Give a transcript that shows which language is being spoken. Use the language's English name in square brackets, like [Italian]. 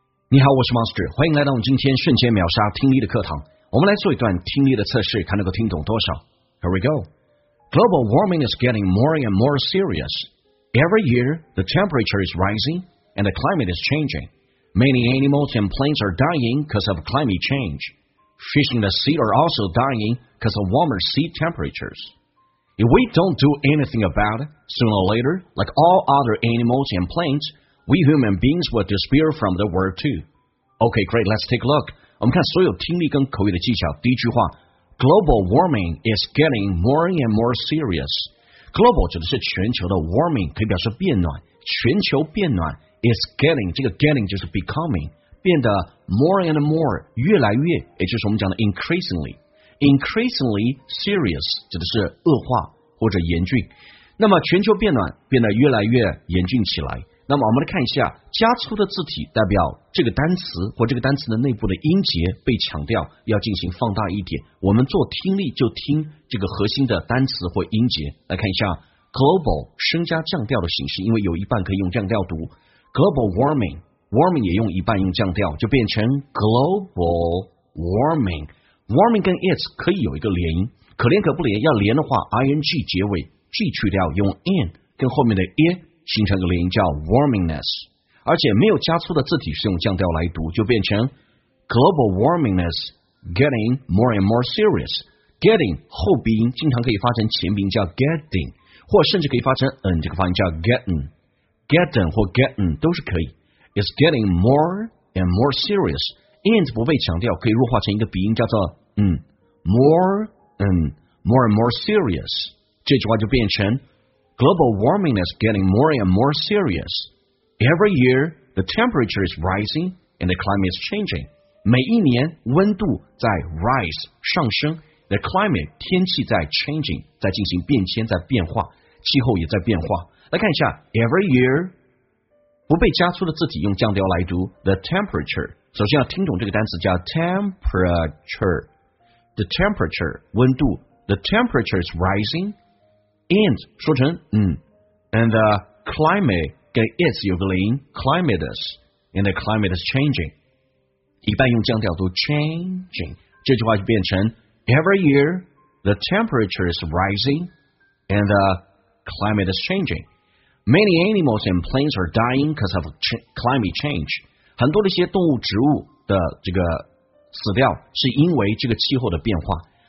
[Chinese] 你好，我是 Monster， 欢迎来到我们今天瞬间秒杀听力的课堂。我们来做一段听力的测试，看能够听懂多少。 [English] Here we go. Global warming is getting more and more serious. Every year, the temperature is rising and the climate is changing. Many animals and plants are dying because of climate change. Fish in the sea are also dying because of warmer sea temperatures. If we don't do anything about it, sooner or later, like all other animals and plants,We human beings will disappear from the world too. Okay, great. Let's take a look. [Chinese] 我们看所有听力跟口语的技巧。第一句话 [English] ，Global warming is getting more and more serious. [Chinese] Global 指的是全球的 warming， 可以表示变暖，全球变暖。 Is getting 这个 getting 就是 becoming 变得 more and more 越来越，也就是我们讲的 increasingly。 Increasingly serious 指的是恶化或者严峻。那么全球变暖变得越来越严峻起来。那么我们来看一下加粗的字体代表这个单词或这个单词的内部的音节被强调要进行放大一点我们做听力就听这个核心的单词或音节来看一下 global 升加降调的形式因为有一半可以用降调读 global warming warming 也用一半用降调就变成 global warming warming 跟 it 可以有一个连音可连可不连要连的话 ing 结尾 g 去掉用 in 跟后面的 it形成个连音叫 warmingness， 而且没有加粗的字体是用降调来读，就变成 [English] global warmingness getting more and more serious。 [Chinese] getting 后鼻音经常可以发成前鼻音叫 getting， 或甚至可以发成 n 这个发音叫 getting， getting 或 getting 都是可以。 [English] is getting more and more serious， [Chinese] and 不被强调可以弱化成一个鼻音叫做 n， [English] more n more and more serious， [Chinese] 这句话就变成。 [English] Global warming is getting more and more serious. Every year, the temperature is rising and the climate is changing. [Chinese] 每一年温度在 rise 上升 ，the climate 天气在 changing 在进行变迁，在变化，气候也在变化。来看一下 ，every year 不被加粗的字体用降调来读 ，the temperature。首先要听懂这个单词叫 temperature， the temperature 温度 ， [English] the temperature is rising。 And 说成嗯 ，and the climate 跟 is 有个连 ，climate is and the climate is changing， 一般用降调读 changing， [Chinese] 这句话就变成 [English] every year the temperature is rising and the climate is changing， many animals and plants are dying because of climate change， [Chinese] 很多的一些动物植物的这个死掉是因为这个气候的变化。